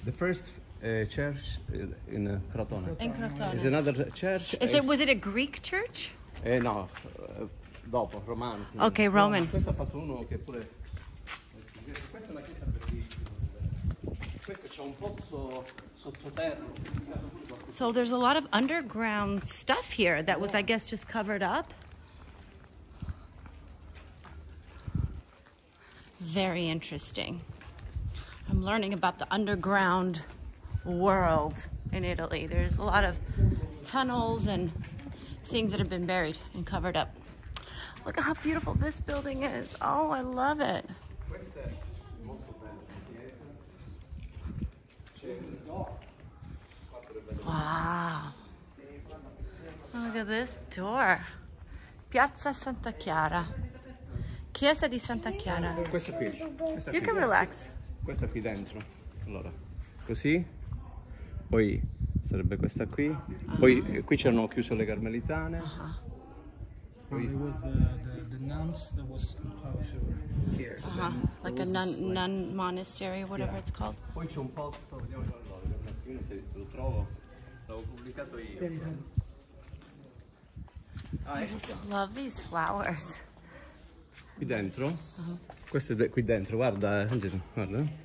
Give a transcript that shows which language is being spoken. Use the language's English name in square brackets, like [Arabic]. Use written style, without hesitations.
[English] The first church in Crotone. In Crotone. Is another church. Is it was it a Greek church? [Italian] No. Dopo, romano. [English] Okay, no, Roman. [Italian] Questo ha fatto uno che pure. Questa è una chiesa per lì. Questo c'è un pozzo sottoterra. [English] So there's a lot of underground stuff here that was, I guess, just covered up. Very interesting. I'm learning about the underground world in Italy. There's a lot of tunnels and things that have been buried and covered up. Look at how beautiful this building is. Oh, I love it. Wow. Look at this door. [Italian] Piazza Santa Chiara. Chiesa di Santa Chiara. Questa qui. Questa [English] you can [Italian] qui. [English] Relax. [Italian] Questa qui dentro. Allora, così. Poi sarebbe questa qui. Poi qui c'erano chiuso le carmelitane. Poi [English] it was the nuns that was in house over here. Like a nun monastery, whatever it's called. [Italian] Poi c'è un pozzo, vediamo allora, un attimo se lo trovo. L'avevo pubblicato io. [English] I just love these flowers. [Italian] Qui dentro, questo è qui dentro, guarda, Angelo, guarda.